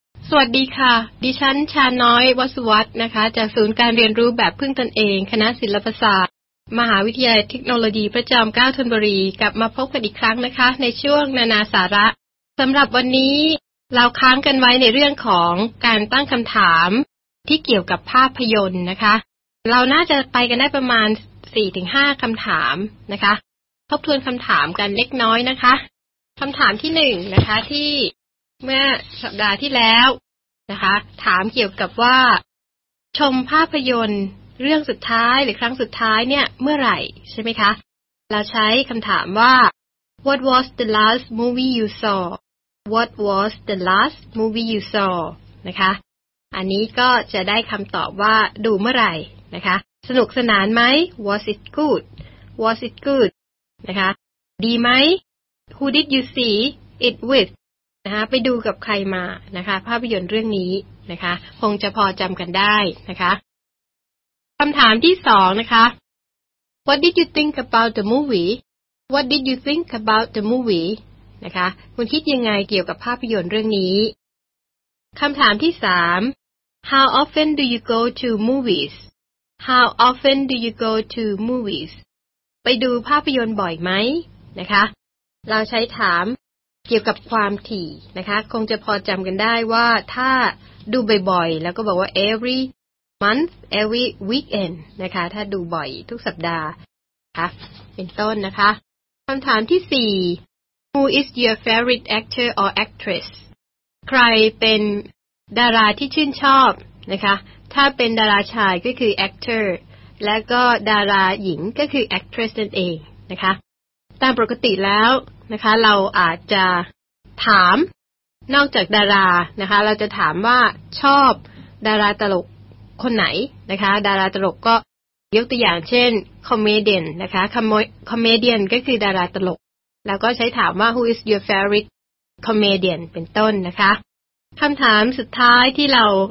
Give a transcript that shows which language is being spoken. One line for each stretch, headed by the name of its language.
Thai: สวัสดีค่ะดิฉันชาน้อยวสุวัฒน์นะคะจากศูนย์การเรียนรู้แบบพึ่งตนเองคณะศิลปศาสตร์มหาวิทยาลัยเทคโนโลยีพระจอมเกล้าธนบุรีกลับมาพบกันอีกครั้งนะคะในช่วงนานาสาระสำหรับวันนี้เราค้างกันไว้ในเรื่องของการตั้งคำถามที่เกี่ยวกับภาพยนตร์นะคะเราน่าจะไปกันได้ประมาณ 4-5 คำถามนะคะทบทวนคำถามกันเล็กน้อยนะคะคำถามที่1นะคะที่ เมื่อสัปดาห์ที่แล้วนะคะถามเกี่ยวกับว่าชมภาพยนตร์เรื่องสุดท้ายหรือครั้งสุดท้ายเนี่ยเมื่อไหร่ใช่ไหมคะเราใช้คำถามว่า
English: What was the last movie you saw? What was the last movie you saw?
Thai: นะคะอันนี้ก็จะได้คำตอบว่าดูเมื่อไหร่นะคะสนุกสนานไหม
English: Was it good? Was it good?
Thai: นะคะดีไหม
English: Who did you see it with?
Thai: นะคะไปดูกับใครมานะคะภาพยนตร์เรื่องนี้นะคะคงจะพอจำกันได้นะคะคำถามที่สองนะคะ
English: What did you think about the movie? What did you think about the movie?
Thai: นะคะคุณคิดยังไงเกี่ยวกับภาพยนตร์เรื่องนี้คำถามที่สาม
English: How often do you go to movies? How often do you go to movies?
Thai: ไปดูภาพยนตร์บ่อยไหมนะคะเราใช้ถามเกี่ยวกับความถี่นะคะคงจะพอจำกันได้ว่าถ้าดูบ่อยๆแล้วก็บอกว่า
English: every weekend
Thai: นะคะถ้าดูบ่อยทุกสัปดาห์นะคะเป็นต้นนะคะคำถามที่4
English: Who is your favorite actor or actress?
Thai: ใครเป็นดาราที่ชื่นชอบนะคะถ้าเป็นดาราชายก็คือ actor แล้วก็ดาราหญิงก็คือ actress นั่นเองนะคะตามปกติแล้วนะคะเราอาจจะ ถามนอกจากดารานะคะเราจะถามว่าชอบดาราตลกคนไหนนะคะดาราตลกก็ยกตัวอย่างเช่นคอมเมดี้นะคะคอมเมดี้นก็คือดาราตลกแล้วก็ใช้ถามว่า
English: Who is your favorite comedian
Thai: เป็นต้นนะคะคำถามสุดท้ายที่เรา